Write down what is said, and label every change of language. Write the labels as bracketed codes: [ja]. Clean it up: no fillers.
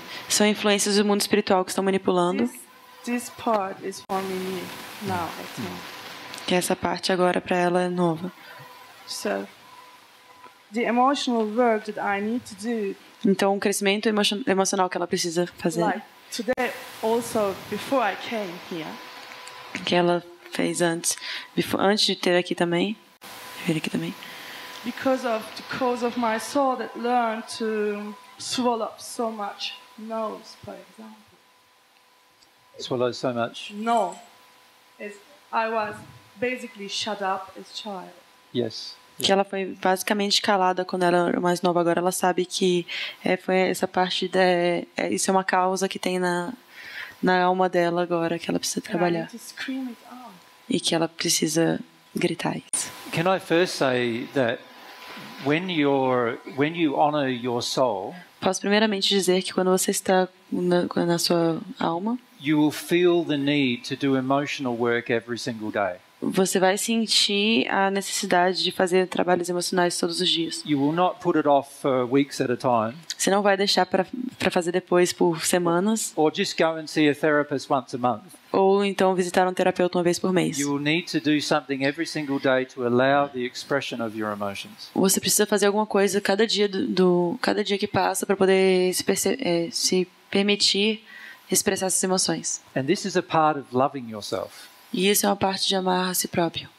[pt] são influências do mundo espiritual que estão manipulando. [en] This this part is for me now, I think. [pt] Que essa parte agora para ela é nova. [en] So, the emotional work that I need to do. [pt] Então, o crescimento emocional que ela precisa fazer. [en] Like today, also before I came here. [pt] Que ela fez antes, [en] before, [pt] antes de ter aqui também, vir aqui também. [en] Because of the cause of my soul that learned to swallow up so much nose, for example. Swallow so much. No, it's, I was basically shut up as child. Yes. [pt] Que ela foi basicamente calada quando ela era mais nova. Agora ela sabe que é, foi essa parte de, é, isso é uma causa que tem na alma dela agora, que ela precisa trabalhar. E que ela precisa gritar isso. [en] Can I first say that when you honor your soul, [pt] posso primeiramente dizer que quando você está na sua alma, [en] you will feel the need to do emotional work every single day. [pt] Você vai sentir a necessidade de fazer trabalhos emocionais todos os dias. [en] You will not put it off for weeks at a time. [pt] Você não vai deixar para fazer depois por semanas. [en] Or just go and see a therapist once a month. [pt] Ou então visitar um terapeuta uma vez por mês. [en] You will need to do something every single day to allow the expression of your emotions. [pt] Você precisa fazer alguma coisa cada dia cada dia que passa para poder se permitir expressar essas emoções. [en] And this is a part of loving yourself. [pt] E isso é uma parte de amar a si próprio.